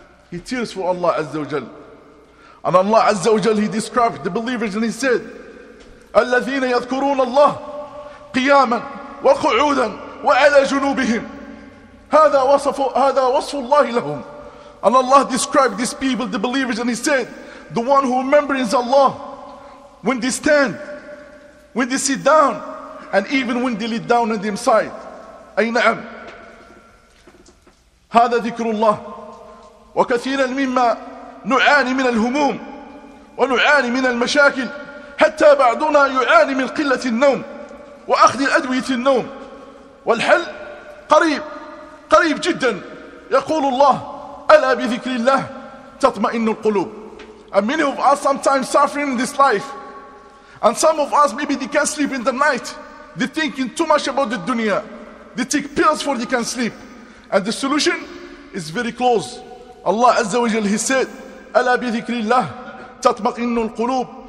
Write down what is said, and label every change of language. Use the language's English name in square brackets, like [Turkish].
[English] He tears for Allah Azza wa Jal. And Allah Azza wa Jal, he described the believers and he said, [Arabic] الَّذِينَ يَذْكُرُونَ اللَّهِ قِيَامًا وَقُعُودًا وَعَلَى جُنُوبِهِمْ هَذَا وَصْفُ اللَّهِ لَهُمْ. [English] And Allah described these people, the believers, and he said, the one who remembers Allah when they stand, when they sit down, and even when they lay down on their side. [Arabic] أي نعم، هذا ذكر الله. وكثيرا مما نعاني من الهموم ونعاني من المشاكل، حتى بعضنا يعاني من قلة النوم وأخذ أدوية النوم، والحل قريب، قريب جدا. يقول الله: ألا بذكر الله تطمئن القلوب. [English] And many of us sometimes suffering in this life, and some of us maybe they can't sleep in the night, they're thinking too much about the dunya. They take pills for they can sleep. And the solution is very close. Allah Azza wa Jal, he said, [Arabic] أَلَا بِذِكْرِ اللَّهِ تَطْمَئِنُّ الْقُلُوبِ.